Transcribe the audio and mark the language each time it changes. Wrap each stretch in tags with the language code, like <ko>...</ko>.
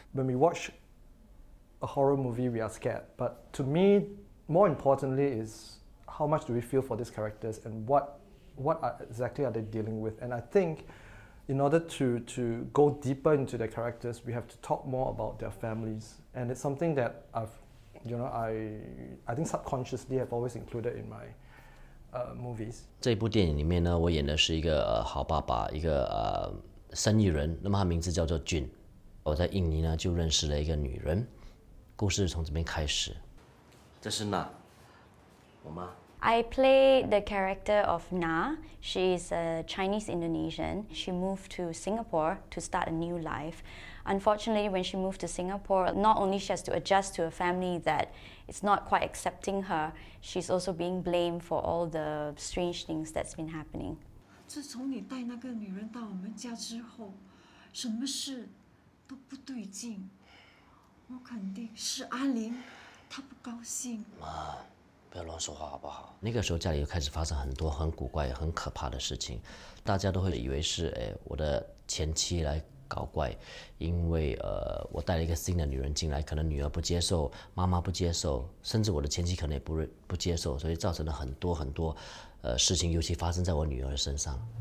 <en>When we watch a horror movie, we are scared. But to me, more importantly is how much do we feel for these characters and what exactly are they dealing with? And I think in order to go deeper into their characters, we have to talk more about their families. And it's something that I think subconsciously have always included in my movies.</en> <zh>这部电影里面呢，我演的是一个好爸爸，一个生意人，那么他名字叫做俊。我在印尼呢就认识了一个女人，故事从这边开始。这是哪？我妈。</zh> <en>I play the character of Na. She is a Chinese Indonesian. She moved to Singapore to start a new life. Unfortunately, when she moved to Singapore, not only she has to adjust to a family that is not quite accepting her, she's also being blamed for all the strange things that's been happening.</en> <zh>自从你带那个女人到我们家之后，什么事都不对劲。我肯定是阿玲，她不高兴。妈。不要乱说话好不好？那个时候家里又开始发生很多很古怪、很可怕的事情，大家都会以为是我的前妻来搞怪，因为我带了一个新的女人进来，可能女儿不接受，妈妈不接受，甚至我的前妻可能也不接受，所以造成了很多很多事情，尤其发生在我女儿身上。</zh>